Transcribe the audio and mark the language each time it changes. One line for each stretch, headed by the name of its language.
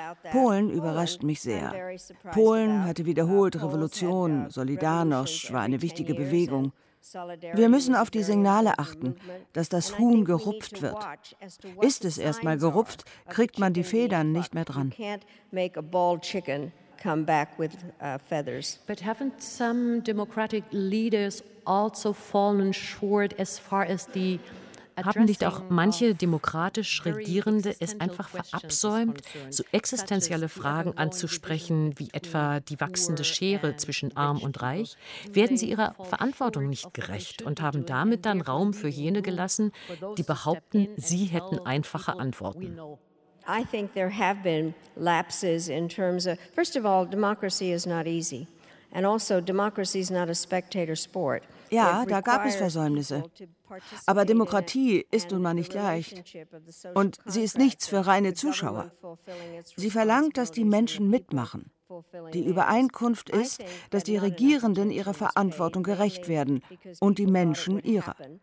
German: Polen überrascht mich sehr. Polen hatte wiederholt Revolutionen, Solidarność war eine wichtige Bewegung. Wir müssen auf die Signale achten, dass das Huhn gerupft wird. Ist es erstmal gerupft, kriegt man die Federn nicht mehr dran.
English: But haven't some democratic leaders also fallen short as far as the
German: Haben nicht auch manche demokratisch Regierende es einfach verabsäumt, so existenzielle Fragen anzusprechen, wie etwa die wachsende Schere zwischen Arm und Reich? Werden sie ihrer Verantwortung nicht gerecht und haben damit dann Raum für jene gelassen, die behaupten, sie hätten einfache Antworten?
English: I think there have been lapses in terms of, first of all, democracy is not easy. And also, democracy is not a spectator sport.
German: Ja, da gab es Versäumnisse. Aber Demokratie ist nun mal nicht leicht. Und sie ist nichts für reine Zuschauer. Sie verlangt, dass die Menschen mitmachen. Die Übereinkunft ist, dass die Regierenden ihrer Verantwortung gerecht werden und die Menschen ihrer.